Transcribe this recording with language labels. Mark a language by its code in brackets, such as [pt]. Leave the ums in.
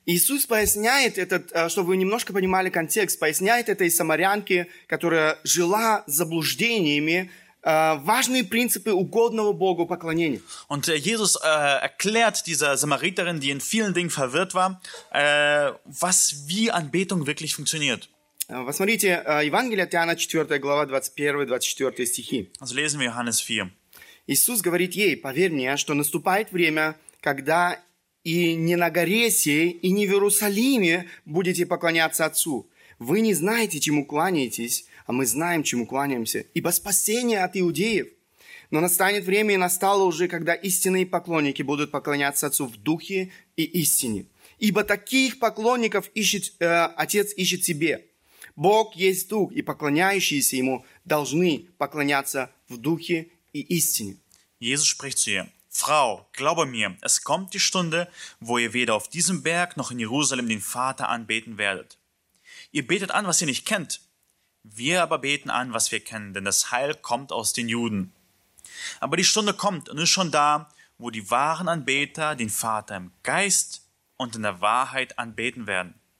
[ru] Jesus поясняет этот, чтобы вы немножко понимали контекст, поясняет этой самарянке, которая жила заблуждениями, важные принципы угодного Богу поклонения. [de] Und äh, Jesus äh, erklärt dieser Samariterin, die in vielen Dingen verwirrt war, äh, was wie Anbetung wirklich funktioniert. Äh, [ru] посмотрите, äh, Евангелие от 4, глава 21-24 стихи. [de] Also lesen wir Johannes 4. [ru] Иисус говорит ей, поверь мне, что наступает время, когда и не на горе сей, и не в Иерусалиме будете поклоняться Отцу. Вы не знаете, чему кланяетесь, а мы знаем, чему кланяемся, ибо спасение от иудеев. Но настанет время и настало уже, когда истинные поклонники будут поклоняться Отцу в духе и истине. Ибо таких поклонников ищет, э, äh, Отец ищет себе. Бог есть дух, и поклоняющиеся Ему должны поклоняться в духе и истине. Иисус говорит ей, [de] Frau, glaube mir, es kommt die Stunde, wo ihr weder auf diesem Berg noch in Jerusalem den Vater anbeten werdet. Ihr betet an, was ihr nicht kennt, Wir aber beten an, was wir kennen, denn das Heil kommt aus den Juden. Aber die Stunde kommt und ist schon da, wo die wahren Anbeter den Vater im Geist und in der Wahrheit anbeten werden.